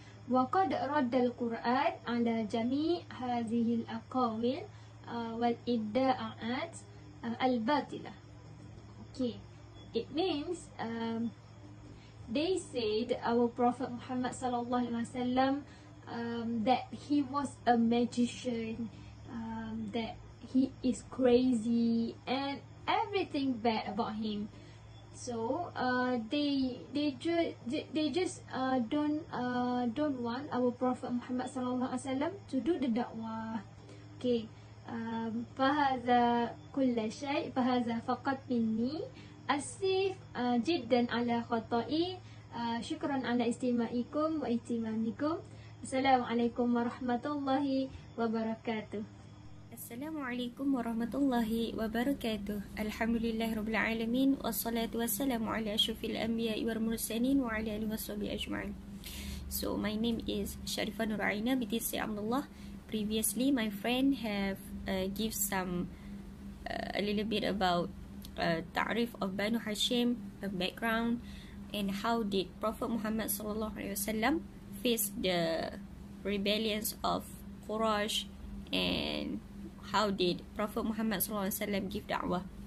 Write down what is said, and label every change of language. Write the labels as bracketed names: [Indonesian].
[Arabic] وقد رد القرآن على جميع هذه الأقاويل والإدعاءات الباطلة. [English] It means they said our Prophet Muhammad sallallahu alaihi wasallam that he was a magician, that he is crazy and everything bad about him. So they just don't want our Prophet Muhammad sallallahu alaihi wasallam to do the da'wah. Okay. [Arabic] فهذا كل شيء، فهذا فقط مني، أسف جدا على خطائي، شكرا على استماعكم واهتمامكم. السلام عليكم ورحمة الله وبركاته. السلام عليكم ورحمة الله وبركاته. الحمد لله رب العالمين، والصلاة والسلام على أشرف الأنبياء والمرسلين وعلى آله وصحبه أجمعين. [English] So my name is Sharifa Nuraina binti Syed Abdullah. Previously my friend have give some a little bit about ta'rif of Banu Hashim, the background, and how did Prophet Muhammad sallallahu alaihi wasallam face the rebellions of Quraysh, and how did Prophet Muhammad sallallahu alaihi wasallam give da'wah.